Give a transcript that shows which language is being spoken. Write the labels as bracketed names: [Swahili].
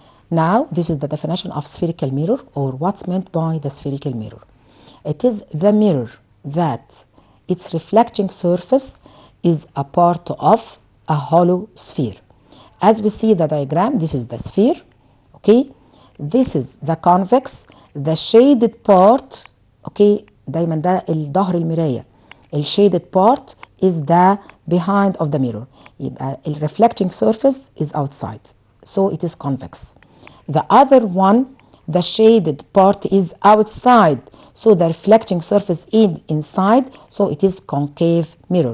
[English] Now, this is the definition of spherical mirror or what's meant by the spherical mirror. It is the mirror that its reflecting surface is a part of a hollow sphere. As we see the diagram, this is the sphere. Okay, this is the convex. The shaded part, okay, [Arabic] دايما ده الظهر المراية. [English] The shaded part is the behind of the mirror. The reflecting surface is outside, so it is convex. The other one, the shaded part is outside, so the reflecting surface is inside, so it is concave mirror.